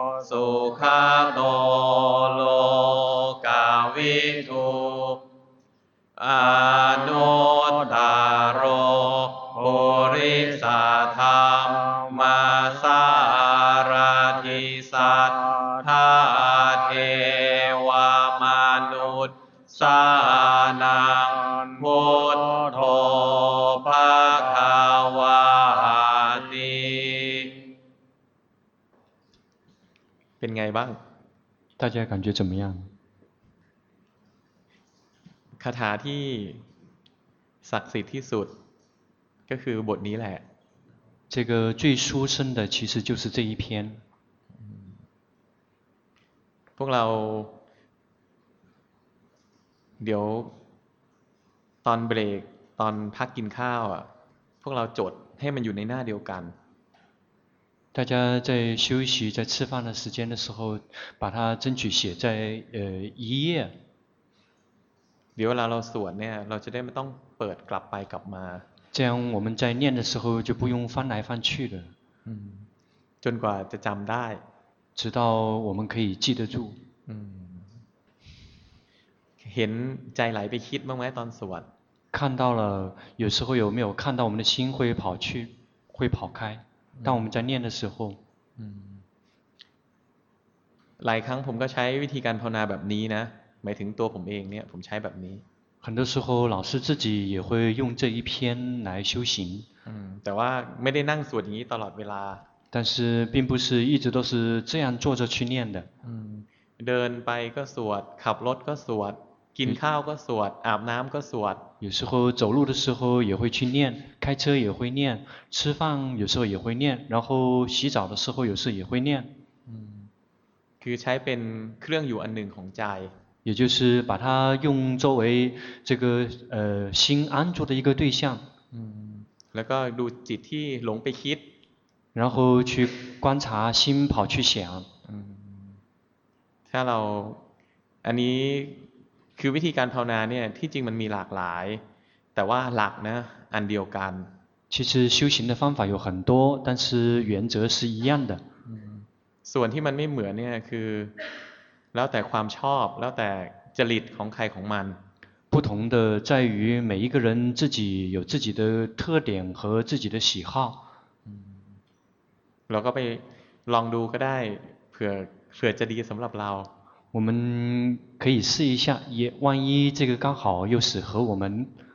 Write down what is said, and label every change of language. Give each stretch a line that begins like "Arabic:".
Pali: สุขโตโลกาวิทุอนุตตโรโหริสาธรรมสารทิสัตถะเทวมนุษย์สานังพุทธโธภาคาวาตี
Thai: เป็นไงบ้าง
Chinese: 大家感觉怎么样
Thai: คาถาที่ศักดิ์สิทธิ์ที่สุดก็คือบทนี้แหละ
Chinese: 这个最殊胜的其实就是这一篇
Thai: พวกเราเดี๋ยวตอนเบรกตอนพักกินข้าวอ่ะพวกเราจดให้มันอยู่ในหน้าเดียวกัน
Chinese: 大家在休息在吃饭的时间的时候把它争取写在一页
Thai: เดี๋ยวเวลาเราสวดเนี่ยเราจะได้ไม่ต้องเปิดกลับไปกลับมา
Chinese: 这样我们在念的时候就不用翻来翻去的
Thai: จนกว่าจะจำได้
Chinese: 直到我们可以记得住
Thai: เห็นใจไหลไปคิดบ้างไหมตอนสวด
Chinese: 看到了有时候有没有看到我们的心会跑去会跑开当我们在念的时候
Thai: หลายครั้งผมก็ใช้วิธีการภาวนาแบบนี้นะหมายถึงตัวผมเองเนี่ยผมใช้แบบนี้
Chinese: 很多时候老师自己也会用这一篇来修行
Thai: แต่ว่าไม่ได้นั่งสวดอย่างนี้ตลอดเวลา
Chinese: 但是并不是一直都是这样坐着去念的
Thai: เดินไปก็สวดขับรถก็สวดกินข้าวก็สวดอาบน้ำก็สวด
Chinese: 有时候走路的时候也会去念开车也会念吃饭有时候也会念然后洗澡的时候有时候也会念
Thai: คือใช้เป็นเครื่องอยู่อันหนึ่งของใจ
Chinese: 也就是把它用作为这个心安住的一个对象
Thai: แล้วก็ดูจิตที่หลงไปคิด
Chinese: 然后去观察心跑去想
Thai: ถ้าเราอันนี้คือวิธีการภาวนาเนี่ยที่จริงมันมีหลากหลายแต่ว่าหลักนะอันเดียวกัน
Chinese: 其实修行的方法有很多但是原则是一样的
Thai: ส่วนที่มันไม่เหมือนเนี่ยคือแล้วแต่ความชอบแล้วแต่จริตของใครของมัน
Chinese: 不同的在于每一个人自己有自己的特点和自己的喜好
Thai: เราก็ไปลองดูก็ได้เผื่อจะดีสำหรับเรา
Chinese: 我们可以试一下，也万一这个刚好又适合我们。